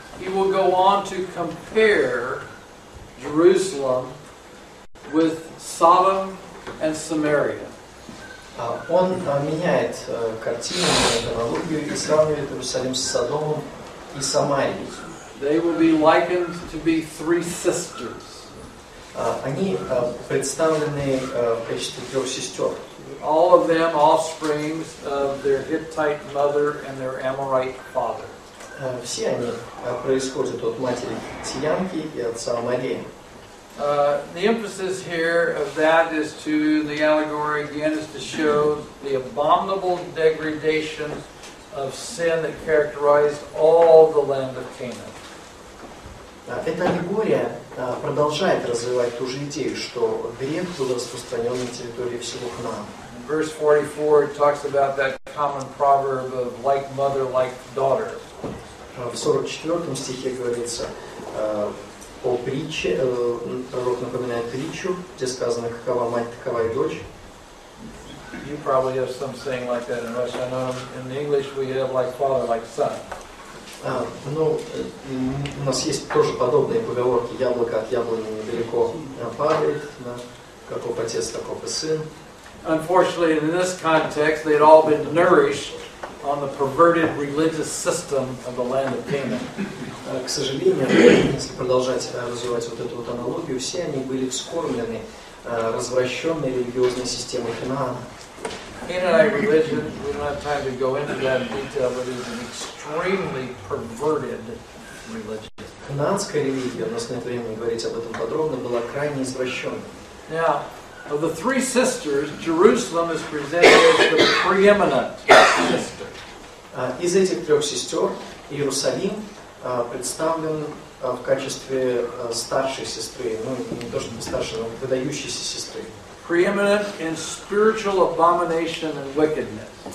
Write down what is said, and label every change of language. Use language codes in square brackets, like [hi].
[en] He will go on to compare Jerusalem with Sodom and Samaria. [ru] Он меняет картину, аналогию и сравнивает Иерусалим с Содомом и Самарией. [en] They will be likened to be three sisters. [ru] Они представлены в качестве трех сестер. [en] All of them offsprings of their Hittite mother and their Amorite father. [ru] Все они происходят от матери Хиттиянки и отца Амореи. [en] The emphasis here of that is to the allegory again is to show the abominable degradation of sin that characterized all the land of Canaan. [ru] Эта аллегория продолжает развивать ту же идею, что грех был распространен на территории всего Ханаана. [en] Verse 44 talks about that common proverb of like mother, like daughter. [ru] В 44 стихе говорится о притче, пророк напоминает притчу, где сказано, какова мать, такова и дочь. [en] You probably have some saying like that in Russian. I know in English we have like father, like son. [ru] Ну, у нас есть тоже подобные поговорки. Яблоко от яблони недалеко падает. Да? Каков отец, таков и сын. [en] Unfortunately, in this context, they'd all been nourished on the perverted religious system of the land of Canaan. [ru] К сожалению, если продолжать развивать вот эту вот аналогию, все они были вскормлены развращенной религиозной системой Ханаана. [en] Canaanite religion, we don't have time to go into that in detail, but it is an extremely perverted religion. [ru] Ханаанская религия, у нас нет времени говорить об этом подробно, была крайне извращенной. [en] Now, of the three sisters, Jerusalem is presented as the preeminent sister. [ru] Из этих трех сестер, Иерусалим представлен в качестве старшей сестры, ну, не то чтобы старшей, но выдающейся сестры. [en] Preeminent in spiritual abomination and wickedness.